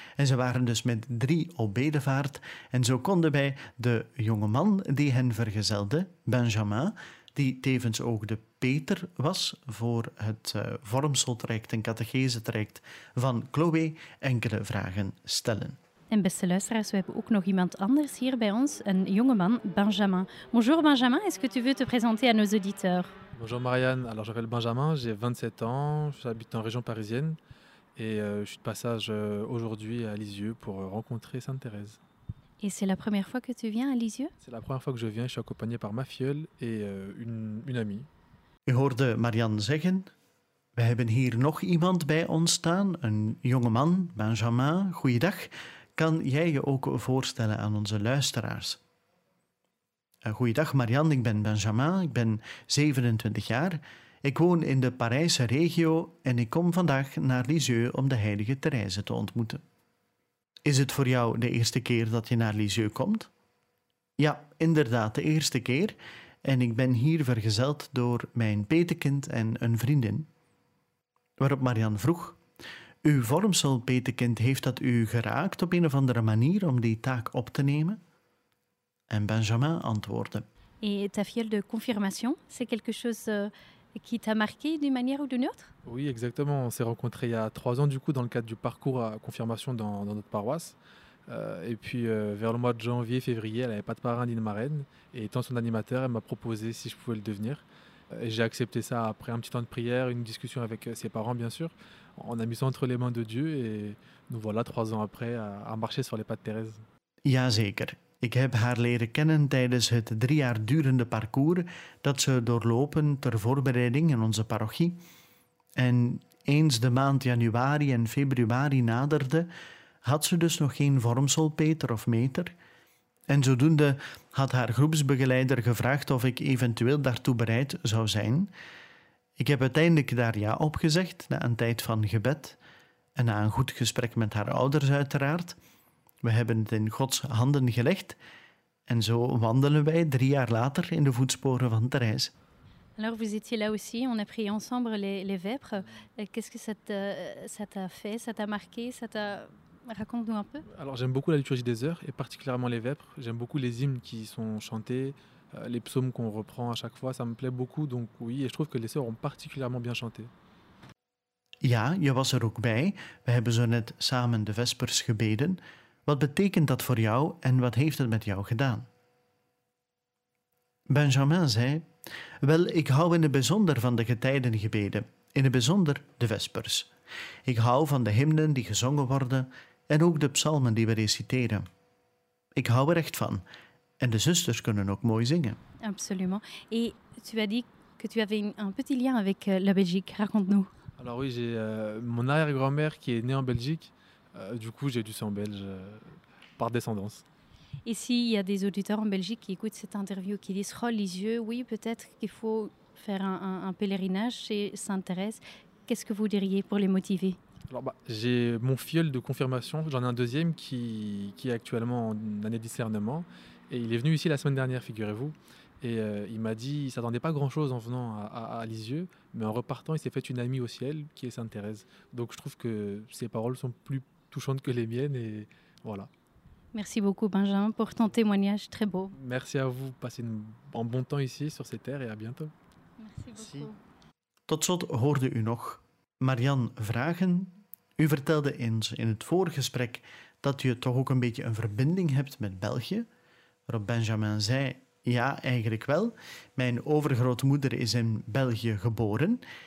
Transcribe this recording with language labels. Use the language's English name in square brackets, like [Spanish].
[Dutch] En ze waren dus met drie op bedevaart. En zo konden wij de jonge man die hen vergezelde, Benjamin, die tevens ook de Peter was voor het vormseltraject en catechesetraject van Chloé, enkele vragen stellen. En beste luisteraars, we hebben ook nog iemand anders hier bij ons, een jongeman, Benjamin. [French] Bonjour Benjamin, est-ce que tu veux te présenter à nos auditeurs? Bonjour Marianne, alors je m'appelle Benjamin, j'ai 27 ans, j'habite en région parisienne et je suis de passage aujourd'hui à Lisieux pour rencontrer Sainte Thérèse. Et c'est la première fois que tu viens à Lisieux? C'est la première fois que je viens, je suis accompagné par ma filleule et une amie. [Dutch] Je hoorde Marianne zeggen, we hebben hier nog iemand bij ons staan, een jongeman, Benjamin, goeiedag. Kan jij je ook voorstellen aan onze luisteraars? Goeiedag Marianne, ik ben Benjamin, ik ben 27 jaar. Ik woon in de Parijse regio en ik kom vandaag naar Lisieux om de heilige Thérèse te ontmoeten. Is het voor jou de eerste keer dat je naar Lisieux komt? Ja, inderdaad, de eerste keer. En ik ben hier vergezeld door mijn petekind en een vriendin. Waarop Marianne vroeg, uw vormsel, petekind, heeft dat u geraakt op een of andere manier om die taak op te nemen? En Benjamin antwoordde. [French] Et ta fiole de confirmation, c'est quelque chose qui t'a marqué d'une manière ou d'une autre? Oui, exactement. On s'est rencontrés il y a 3 ans, du coup, dans le cadre du parcours à confirmation dans notre paroisse. Vers le mois de janvier, février, elle n'avait pas de parrain ni de marraine. Et étant son animateur, elle m'a proposé si je pouvais le devenir. Et j'ai accepté ça après un petit temps de prière, une discussion avec ses parents, bien sûr. On a mis ça entre les mains de Dieu et nous voilà 3 ans après à marcher sur les pas de Thérèse. [Dutch] Jazeker. Ik heb haar leren kennen tijdens het 3 jaar durende parcours dat ze doorlopen ter voorbereiding in onze parochie. En eens de maand januari en februari naderde, had ze dus nog geen vormselpeter of meter. En zodoende had haar groepsbegeleider gevraagd of ik eventueel daartoe bereid zou zijn. Ik heb uiteindelijk daar ja op gezegd, na een tijd van gebed en na een goed gesprek met haar ouders uiteraard. We hebben het in Gods handen gelegd en zo wandelen wij 3 jaar later in de voetsporen van Thérèse. [French] Alors vous étiez là aussi, on a prié ensemble les vêpres. Qu'est-ce que ça t'a fait, ça t'a marqué, ça t'a... Raconte-nous un peu. Alors j'aime beaucoup la liturgie des heures et particulièrement les vêpres. J'aime beaucoup les hymnes qui sont chantés, les psaumes qu'on reprend à chaque fois, ça me plaît beaucoup. Donc oui, et je trouve que les sœurs ont particulièrement bien chanté. [Dutch] Ja, je was er ook bij. We hebben zo net samen de vespers gebeden. Wat betekent dat voor jou en wat heeft het met jou gedaan? Benjamin zei, wel, ik hou in het bijzonder van de getijdengebeden, in het bijzonder de vespers. Ik hou van de hymnen die gezongen worden en ook de psalmen die we reciteren. Ik hou er echt van en de zusters kunnen ook mooi zingen. [French] Absolument. Et tu as dit que tu avais un petit lien avec la Belgique. Raconte-nous. Alors oui, j'ai mon arrière-grand-mère qui est née en Belgique. Du coup, j'ai du sang belge par descendance. Et s'il y a des auditeurs en Belgique qui écoutent cette interview, qui disent « Oh, Lisieux, oui, peut-être qu'il faut faire un pèlerinage chez Sainte Thérèse », qu'est-ce que vous diriez pour les motiver? Alors, j'ai mon fiole de confirmation, j'en ai un deuxième qui est actuellement en année de discernement. Et il est venu ici la semaine dernière, figurez-vous. Et il m'a dit qu'il ne s'attendait pas grand-chose en venant à Lisieux, mais en repartant, il s'est fait une amie au ciel, qui est Sainte Thérèse. Donc je trouve que ses paroles sont plus touchantes que les miennes, et voilà. Merci beaucoup, Benjamin, pour ton témoignage très beau. Merci à vous, passez un bon temps ici, sur ces terres, et à bientôt. Merci beaucoup. [Dutch] Tot slot hoorde u nog Marianne vragen. U vertelde eens in het vorige gesprek dat je toch ook een beetje een verbinding hebt met België, waarop Benjamin zei... Ja, eigenlijk wel. Mijn overgrootmoeder is in België geboren.